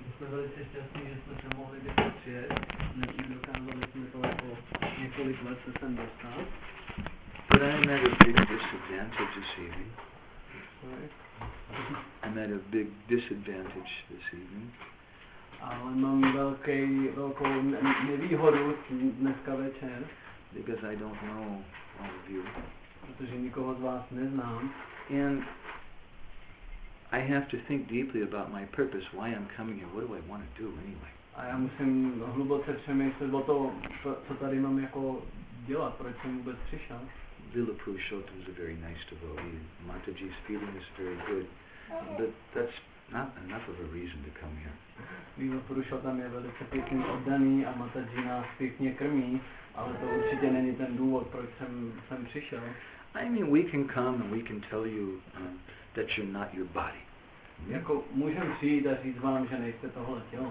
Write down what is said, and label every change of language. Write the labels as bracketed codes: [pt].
[cs] byli si šťastní, že jste se mohli někdo přijet, než mi dokázali jsme to jako několik let se sem dostat. [en] But I met a big disadvantage this evening. Right. I met a big disadvantage this evening. [cs] Ale mám velkou nevýhodu dneska večer. [en] Because I don't know all of you. [cs] Protože nikoho z vás neznám. [en] And I have to think deeply about my purpose, why I'm coming here, what do I want to do anyway. [cs] A já musím hluboce přemýšlet o tom, co tady mám jako dělat, proč jsem vůbec přišel. [en] Lila Purushottam is a very nice devotee. Mataji's feeling is very good. But that's not enough of a reason to come here. [cs] Lila Purushottam je velice pěkný oddaný a Mataji nás pěkně krmí, ale to určitě není ten důvod, proč jsem sem přišel. [en] I mean, we can come and we can tell you that you're not your body. [cs] Jako můžem přijít a říct vám, že nejste tohle tělo.